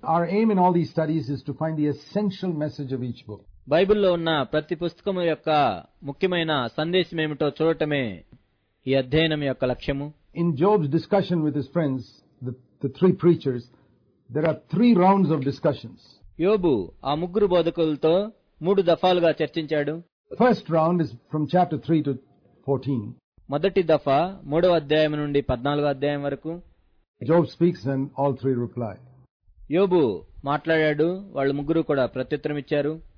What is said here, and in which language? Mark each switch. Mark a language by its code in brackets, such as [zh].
[en] Our aim in all these studies is to find the essential message of each book. [te] బైబిల్లో ఉన్న ప్రతి పుస్తకము యొక్క ముఖ్యమైన సందేశం ఏమిటో చూడటమే ఈ అధ్యయనం యొక్క లక్ష్యము. [en] In Job's discussion with his friends, the three preachers, there are three rounds of discussions. [te] యోబు ఆ ముగ్గురు బోధకులతో మూడు దఫాలుగా చర్చించాడు. [en] First round is from chapter 3 to 14. [te] మొదటి దఫా 3వ అధ్యాయం నుండి 14వ అధ్యాయం వరకు. [en] Job speaks and all three reply. [te] యోబు మాట్లాడాడు వాళ్ళ ముగ్గురు కూడా ప్రత్యుత్తరం ఇచ్చారు.